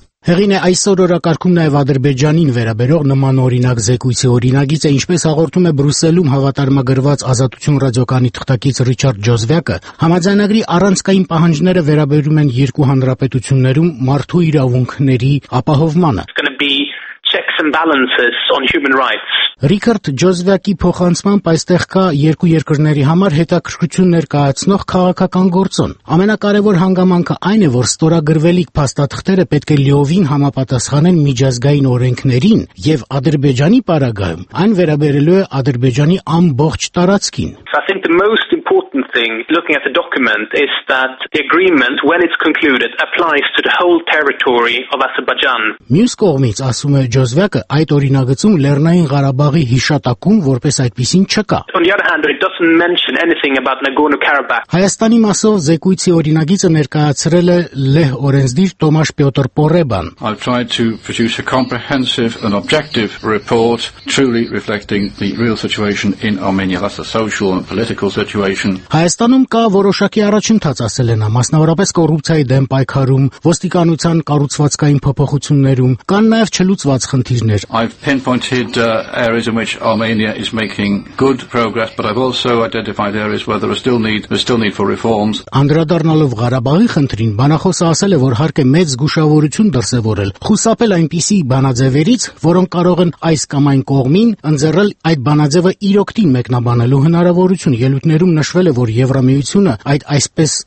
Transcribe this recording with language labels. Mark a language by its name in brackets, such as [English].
[Armenian] Հեղինը այսօր օրակարգում նաև Ադրբեջանին վերաբերող նման օրինակ զեկույցի օրինագիծ է, ինչպես հաղորդում է Բրյուսելում հավատարմագրված Ազատություն ռադիոկանի թղթակից Ռիչարդ Ջոզվյակը, համաձայնագրի առանցքային պահանջները վերաբերում են երկու հանրապետություններում մարդու իրավունքների ապահովմանը։ [English] It's going to be six checks and balances on human rights. [Armenian] Ռիկարդ Ջոզվյակի փոխանցմամբ այստեղ կա երկու երկրների համար հետաքրքրություն ներկայացնող քաղաքական գործոն։ Ամենակարևոր հանգամանքը այն է, որ ստորագրվելիք փաստաթղթերը պետք է լիովին համապատասխանեն միջազգային օրենքներին եւ Ադրբեջանի պարագայում, այն վերաբերելու է Ադրբեջանի ամբողջ տարածքին։ [English] Important thing looking at the document is that the agreement, when it's concluded, applies to the whole territory of Azerbaijan. [Armenian] Մյուս կողմից, ասում է Ջոզվյակը, այդ օրինագծում Լեռնային Ղարաբաղի հիշատակում որպես այդպիսին չկա. [English] On the other hand, it doesn't mention anything about Nagorno-Karabakh. [Armenian] Հայաստանի մասով զեկույցի օրինագիծը ներկայացրել է Լեհ օրենսդիր Տոմաշ Պյոտր Պորեբան. [English] I've tried to produce a comprehensive and objective report truly reflecting the real situation in Armenia, that's the social and political situation. [Armenian] Հայաստանում կա որոշակի առաջընթաց, ասել են, մասնավորապես կոռուպցիայի դեմ պայքարում, ոստիկանության կառուցվածքային փոփոխություններում, կան նաև չլուծված խնդիրներ. [English] I've pinpointed areas in which Armenia is making good progress, but I've also identified areas where there still need for reforms. [Armenian] Անդրադառնալով Ղարաբաղի խնդրին, բանախոսը ասել է, որ հարկ է մեծ զգուշավորություն դրսևորել, խուսափել այնպիսի բանաձևերից, որոնք կարող են այս կամ այն կողմին ընձեռել այդ բանաձևը իր օկտին մեկնաբանելու հնարավորություն ելույթ ներում նշվել է, որ Եվրամիությունը այդ այսպես